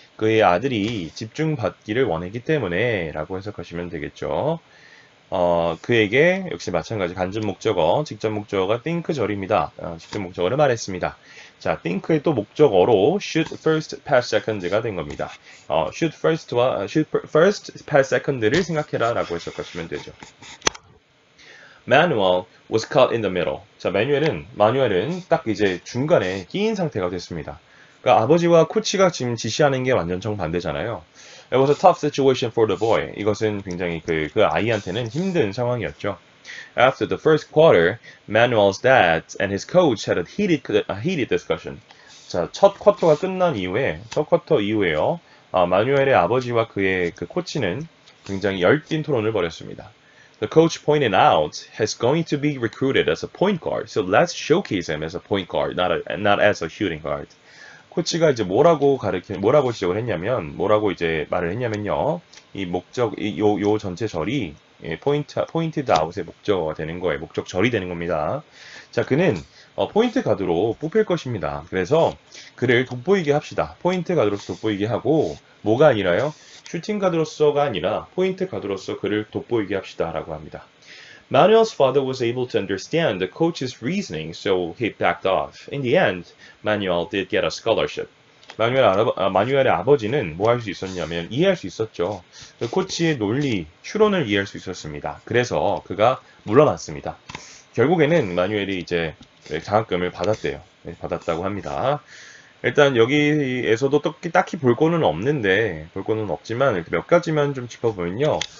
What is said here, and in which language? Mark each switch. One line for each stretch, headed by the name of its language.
Korean: 그의 아들이 집중받기를 원했기 때문에라고 해석하시면 되겠죠. 그에게 역시 마찬가지 간접 목적어, 직접 목적어가 think 절입니다. 직접 목적어를 말했습니다. 자, think의 또 목적어로
English: shoot first, pass second
Korean: 가 된 겁니다. shoot first와
English: shoot first, pass second
Korean: 를 생각해라라고 해석하시면 되죠.
English: Manuel was caught in the middle.
Korean: 자, 마뉴엘은 딱 이제 중간에 끼인 상태가 됐습니다. 그러니까 아버지와 코치가 지금 지시하는 게 완전 정반대잖아요.
English: It was a tough situation for the boy.
Korean: 이것은 굉장히 그 아이한테는 힘든 상황이었죠.
English: After the first quarter, Manuel's dad and his coach had a heated discussion.
Korean: 자, 첫 쿼터가 끝난 이후에, 첫 쿼터 이후에요. 마뉴엘의 아버지와 그의 그 코치는 굉장히 열띤 토론을 벌였습니다.
English: The coach pointed out he's going to be recruited as a point guard, so let's showcase him as a point guard, not as a shooting guard.
Korean: 코치가 이제 뭐라고 지적을 했냐면, 뭐라고 이제 말을 했냐면요. 이 전체 절이 포인트 아웃의 목적어가 되는 거예요. 목적 절이 되는 겁니다. 자, 그는 포인트 가드로 뽑힐 것입니다. 그래서 그를 돋보이게 합시다. 포인트 가드로서 돋보이게 하고, 뭐가 아니라요? 슈팅 가드로서가 아니라 포인트 가드로서 그를 돋보이게 합시다라고 합니다.
English: Manuel's father was able to understand the coach's reasoning, so he backed off. In the end, Manuel did get a scholarship.
Korean: 마뉴엘의 아버지는 뭐할수 있었냐면 이해할 수 있었죠. 그 코치의 논리, 추론을 이해할 수 있었습니다. 그래서 그가 물러났습니다. 결국에는 마뉴엘이 이제 장학금을 받았대요. 받았다고 합니다. 일단 여기에서도 딱히 볼 거는 없지만 이렇게 몇 가지만 좀 짚어보면요.